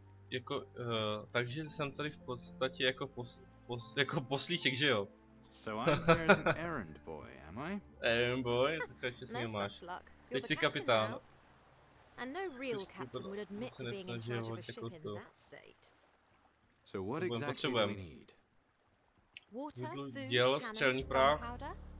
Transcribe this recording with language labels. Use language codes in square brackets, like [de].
[cs] Jako, takže jsem tady v podstatě jako jako poslíček, že jo? [en] So I'm here as an errand boy, am I? Errand boy, [cs] tak ještě si nemáš. Teď jsi kapitán. [en] And no real captain would admit to being in charge of a ship in that state. So what exactly do we need? Water, food, cannons, gunpowder?